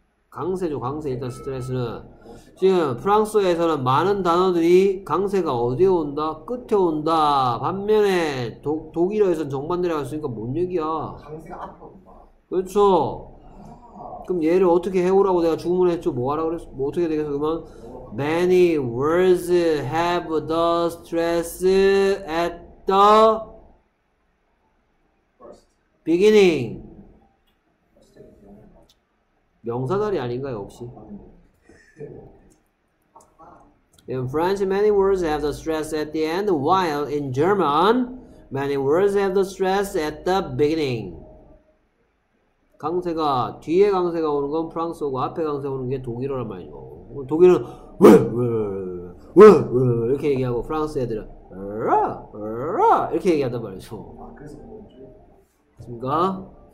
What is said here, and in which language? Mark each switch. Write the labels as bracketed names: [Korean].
[Korean] 강세죠, 강세. 일단 스트레스는. 지금 프랑스어에서는 많은 단어들이 강세가 어디에 온다? 끝에 온다. 반면에 독일어에서는 정반대라고 했으니까 뭔 얘기야? 강세가 앞으로 온다. 그렇죠. 그럼 얘를 어떻게 해오라고 내가 주문했죠? 뭐 하라고 그랬어? 뭐 어떻게 되겠어? 그러면? [English] Many words have the stress at the beginning. [Korean] 명사다리 아닌가요, 혹시? [English] In French, many words have the stress at the end, while in German, many words have the stress at the beginning. [Korean] 강세가 뒤에 강세가 오는 건 프랑스어고 앞에 강세가 오는 게 독일어란 말이죠. 독일은 왜 이렇게 얘기하고 프랑스 애들은 으라 이렇게 얘기한단 말이죠. 아, 그래서 맞습니까?